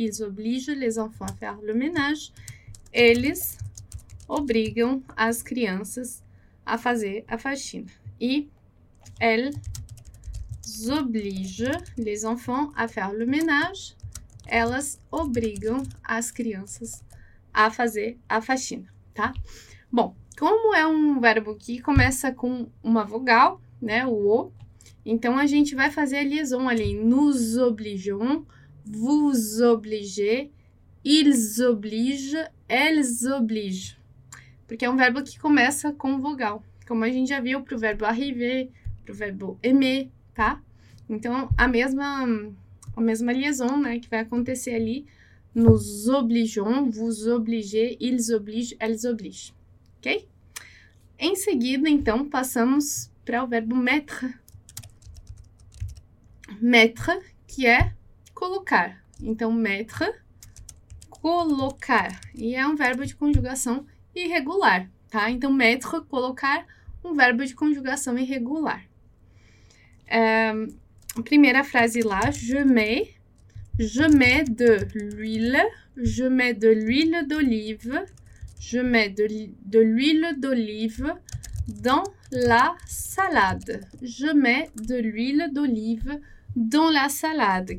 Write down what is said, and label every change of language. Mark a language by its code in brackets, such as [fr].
[fr] Ils obligent les enfants à faire le ménage. [pt] Eles obrigam as crianças a fazer a faxina. [fr] E elles obligent les enfants à faire le ménage. [pt] Elas obrigam as crianças a fazer a faxina, tá? Bom, como é um verbo que começa com uma vogal, né, o O, então a gente vai fazer a liaison ali, [fr] nous obligeons, vous obligez, ils obligent, elles obligent. [pt] Porque é um verbo que começa com vogal, como a gente já viu para o verbo arriver, para o verbo aimer, tá? Então, a mesma liaison, né, que vai acontecer ali, [fr] nous obligeons, vous obligez, ils obligent, elles obligent, [pt] ok? Em seguida, então, passamos para o verbo mettre. Mettre, que é colocar. Então, mettre, colocar. E é um verbo de conjugação irregular, tá? Então, mettre, colocar, um verbo de conjugação irregular. Primeira frase lá, [fr] je mets de l'huile, je mets de l'huile d'olive, je mets de l'huile d'olive dans la salade. Je mets de l'huile d'olive dans la salade.